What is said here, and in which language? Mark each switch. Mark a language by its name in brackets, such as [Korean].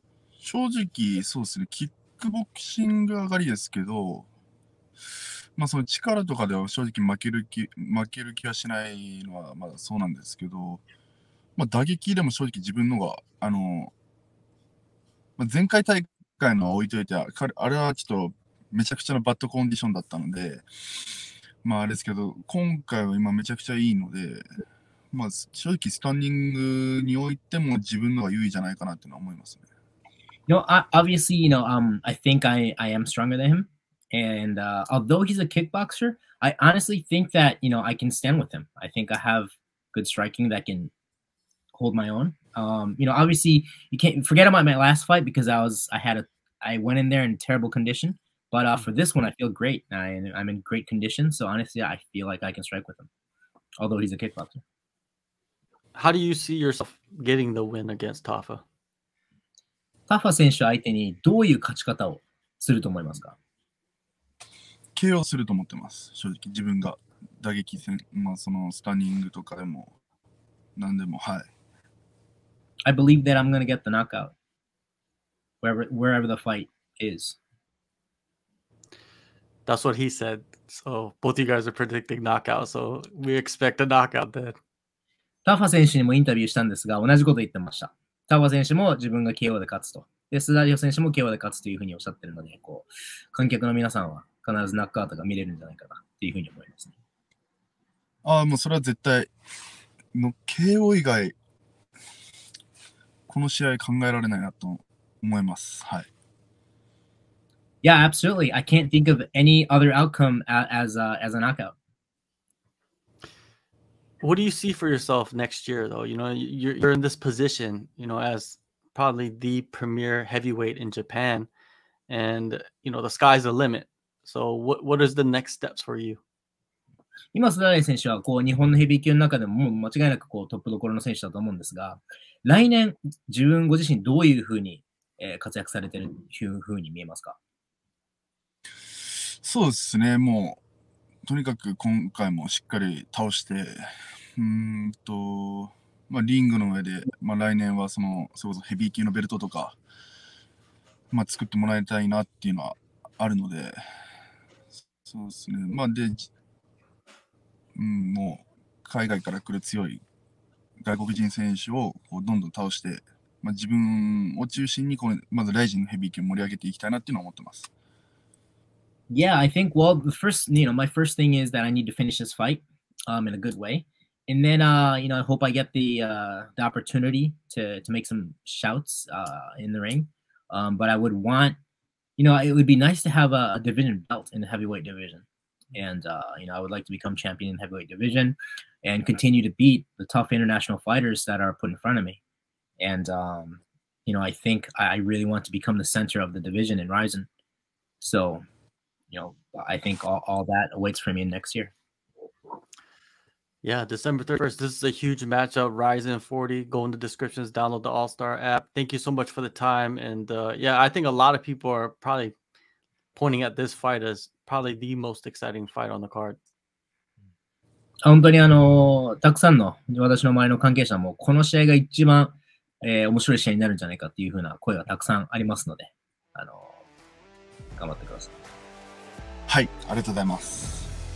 [Japanese] 正直、そうですね、キックボクシング上がりですけど、まあその力とかでは正直負ける気はしないのはまあそうなんですけど、まあ打撃でも正直自分のがあの、まあ、前回大会のは置いといて、あれはちょっとめちゃくちゃなバッドコンディションだったので、まああれですけど、今回は今めちゃくちゃいいので、まあ正直スタンディングにおいても自分のが優位じゃないかなっていうのは思いますね。 [English] You know, obviously, you know, I think I am stronger than him. And although he's a kickboxer, I honestly think that, you know, I can stand with him. I think I have good striking that can hold my own. You know, obviously, you can't forget about my last fight because I went in there in terrible condition. But for this one, I feel great. I'm in great condition. So honestly, I feel like I can strike with him, although he's a kickboxer. How do you see yourself getting the win against Tafa? [Japanese] Tafa 選手相手にどういう勝ち方をすると思いますか？ KO すると思ってます。正直自分が打撃戦、まあ、そのスタンニングとかでも何でも、はい。 [English] I believe that I'm gonna get the knockout wherever the fight is. That's what he said. So both you guys are predicting knockout, so we expect a knockout then. [Japanese] Tafa 選手にもインタビューしたんですが、同じこと言ってました。Tafa 選手も自分が KO で勝つと、で、スダリオ選手も KO で勝つというふうにおっしゃってるので、こう観客の皆さんは必ずナックアウトが見れるんじゃないかなっていうふうに思いますね。ああ、もうそれは絶対、の KO 以外、この試合考えられないなと思います。はい。 [English] Yeah, absolutely. I can't think of any other outcome as a knockout. What do you see for yourself next year, though? You know, you're in this position, you know, as probably the premier heavyweight in Japan, and, you know, the sky's the limit. So what is the next steps for you? [Japanese] 今スダリオ選手はこう日本のヘビー級の中でも間違いなくこうトップどころの選手だと思うんですが、来年自分ご自身どういうふうに、活躍されているというふうに見えますか？そうですね、もうとにかく今回もしっかり倒して、まあ、リングの上で、まあ、来年はそのそれこそヘビー級のベルトとか、まあ、作ってもらいたいなっていうのはあるので、そうですね、まあで、もう海外から来る強い外国人選手をこうどんどん倒して、まあ、自分を中心にこうまずライジンのヘビー級を盛り上げていきたいなっていうのを思ってます。 [English] Yeah, I think, well, the first, you know, my first thing is that I need to finish this fight in a good way, and then you know, I hope I get the opportunity to make some shouts in the ring, but I would wantYou know, it would be nice to have a division belt in the heavyweight division. And, you know, I would like to become champion in the heavyweight division and continue to beat the tough international fighters that are put in front of me. And, you know, I think I really want to become the center of the division in Rizin. So, you know, I think all that awaits for me next year. Yeah, December 31st. This is a huge matchup, Rizin 40. Go in the descriptions, download the AllStar app. Thank you so much for the time. And yeah, I think a lot of people are probably pointing at this fight as probably the most exciting fight on the card. [Japanese] 本当にあのたくさんの私の周りの関係者もこの試合が一番、面白い試合になるんじゃないかっていうふうな声がたくさんありますので、頑張ってください。はい、ありがとうございます。